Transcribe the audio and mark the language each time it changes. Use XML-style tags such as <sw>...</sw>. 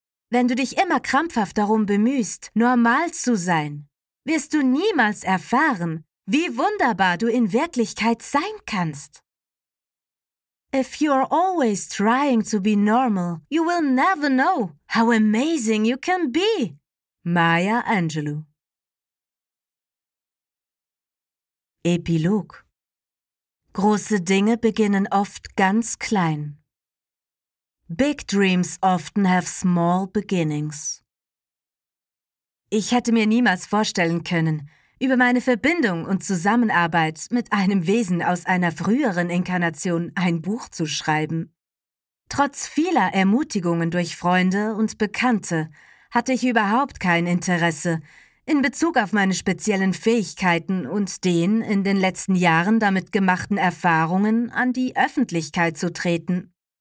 <de>Wenn du dich immer krampfhaft darum bemühst, normal zu sein, wirst du niemals erfahren, wie wunderbar du in Wirklichkeit sein kannst.</de> <en>If you are always trying to be normal, you will never know how amazing you can be. Maya Angelou.</en> <de>Epilog. Große Dinge beginnen oft ganz klein.</de> <en>Big dreams often have small beginnings.</en> <de>Ich hätte mir niemals vorstellen können, über meine Verbindung und Zusammenarbeit mit einem Wesen aus einer früheren Inkarnation ein Buch zu schreiben. Trotz vieler Ermutigungen durch Freunde und Bekannte hatte ich überhaupt kein Interesse, in Bezug auf meine speziellen Fähigkeiten und den in den letzten Jahren damit gemachten Erfahrungen an die Öffentlichkeit zu treten.</de>